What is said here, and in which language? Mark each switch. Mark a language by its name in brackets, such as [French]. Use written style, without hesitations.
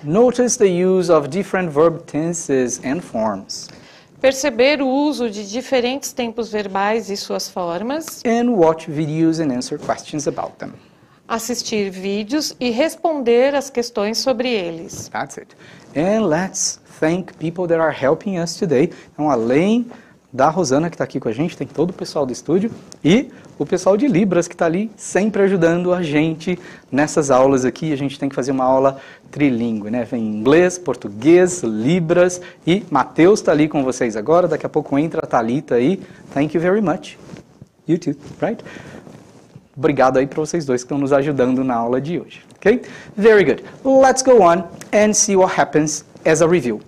[English] Notice the use of different verb tenses and forms. [Portuguese] Perceber o uso de diferentes tempos verbais e suas formas. [English] And watch videos and answer questions about them. [Portuguese] Assistir vídeos e responder as questões sobre eles. [English] That's it. And let's... thank people that are helping us today. [Portuguese] Então, além da Rosana, que está aqui com a gente, tem todo o pessoal do estúdio e o pessoal de Libras, que está ali sempre ajudando a gente nessas aulas aqui. A gente tem que fazer uma aula trilingue, né? Vem inglês, português, Libras e Matheus está ali com vocês agora. Daqui a pouco entra a Thalita aí. [English] Thank you very much. You too, right? [Portuguese] Obrigado aí para vocês dois que estão nos ajudando na aula de hoje. [English] Ok? Very good. Let's go on and see what happens as a review.